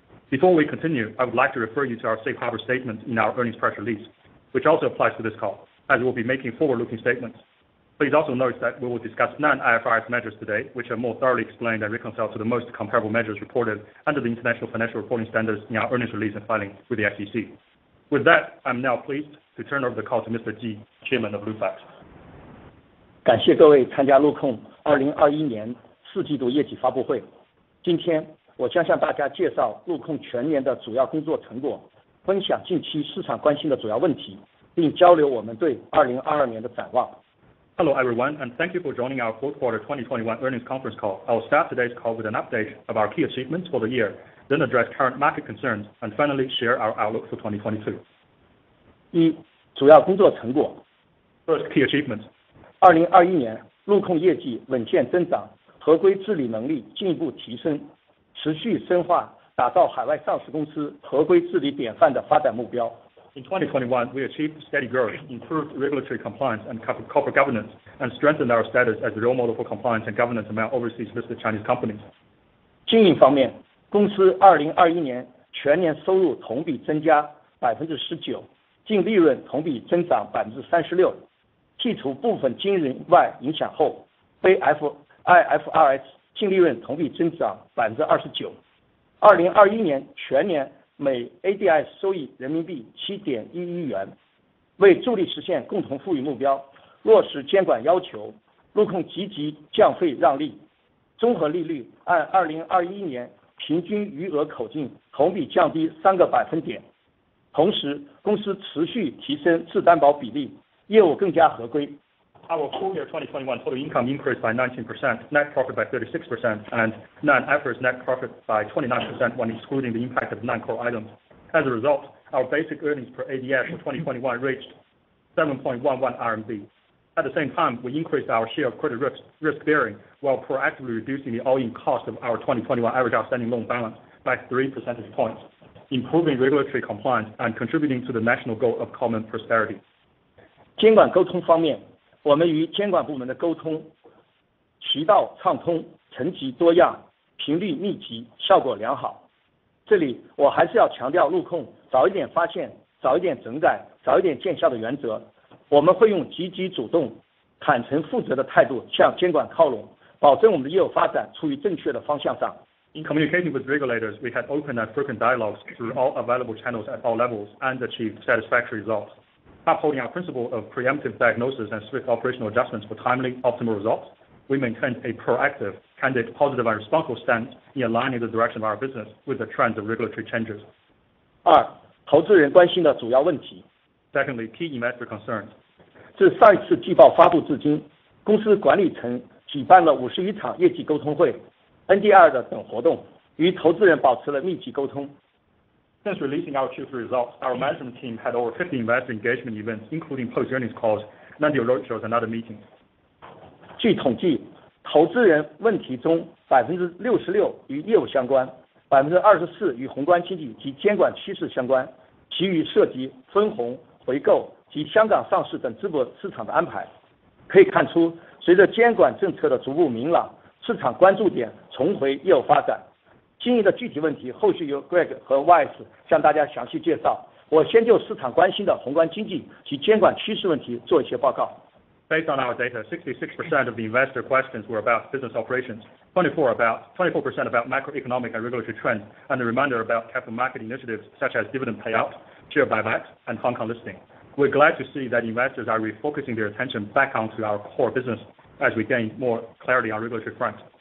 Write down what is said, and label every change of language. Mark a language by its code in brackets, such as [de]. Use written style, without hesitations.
[en] Before we continue, I would like to refer you to our safe harbor statement in our earnings press release, which also applies to this call, as we'll be making forward-looking statements. Please also note that we will discuss non-IFRS measures today, which are more thoroughly explained and reconciled to the most comparable measures reported under the International Financial Reporting Standards in our earnings release and filing with the SEC. With that, I'm now pleased to turn over the call to Mr. Ji, Chairman of Lufax. [zh] 感谢各位参加陆控2021年四季度业绩发布会。今天我将向大家介绍陆控全年的主要工作成果，分享近期市场关心的主要问题，并交流我们对2022年的展望。 [en] Hello everyone, and thank you for joining our fourth quarter 2021 earnings conference call. I'll start today's call with an update of our key achievements for the year, then address current market concerns, and finally share our outlook for 2022. [zh] 一、主要工作成果。 [en] First key achievements. [zh] 2021年，陆控业绩稳健增长，合规治理能力进一步提升，持续深化打造海外上市公司合规治理典范的发展目标。 [en] In 2021, we achieved steady growth, improved regulatory compliance and corporate governance, and strengthened our status as a role model for compliance and governance among overseas listed Chinese companies. [zh] 经营方面，公司2021年全年收入同比增加 19%， 净利润同比增长 36%， 剔除部分经营外影响后，非 IFRS 净利润同比增长 29%。 2021年全年每 ADI 收益人民币7.11元，为助力实现共同富裕目标，落实监管要求，陆控积极降费让利，综合利率按2021年平均余额口径同比降低3个百分点，同时公司持续提升自担保比例，业务更加合规。 [en] Our full year 2021 total income increased by 19%, net profit by 36%, and non-IFRS net profit by 29% when excluding the impact of non-core items. As a result, our basic earnings per ADS for 2021 reached 7.11 RMB. At the same time, we increased our share of credit risk bearing while proactively reducing the all-in cost of our 2021 average outstanding loan balance by 3 percentage points, improving regulatory compliance and contributing to the national goal of common prosperity. [zh] 监管沟通方面，我们与监管部门的沟通渠道畅通，层级多样，频率密集，效果良好。这里我还是要强调陆控早一点发现，早一点整改，早一点见效的原则。我们会用积极主动、坦诚负责的态度向监管靠拢，保证我们的业务发展处于正确的方向上。 [en] In communicating with regulators, we had open and frequent dialogues through all available channels at all levels and achieved satisfactory results. Upholding our principle of preemptive diagnosis and swift operational adjustments for timely, optimal results, we maintained a proactive, candid, positive and responsible stance in aligning the direction of our business with the trends of regulatory changes. [zh] 二、投资人关心的主要问题。 [en] Secondly, key investor concerns. [zh] 自上一次季报发布至今，公司管理层举办了51场业绩沟通会、NDR 的等活动，与投资人保持了密集沟通。 [en] Since releasing our Q3 results, our management team had over 50 investor engagement events, including post-earnings calls, non-deal roadshows, and other meetings. [zh] 据统计，投资人问题中 66% 与业务相关， 24% 与宏观经济及监管趋势相关，其余涉及分红、回购及香港上市等资本市场的安排。可以看出，随着监管政策的逐步明朗，市场关注点重回业务发展。经营的具体问题，后续由 Greg 和 Wise 向大家详细介绍。我先就市场关心的宏观经济及监管趋势问题做一些报告。 [en] Based on our data, 66% of the investor questions were about business operations, 24% about macroeconomic and regulatory trends, and the remainder about capital market initiatives such as dividend payout, share buybacks, and Hong Kong listing. We're glad to see that investors are refocusing their attention back onto our core business as we gain more clarity on regulatory front.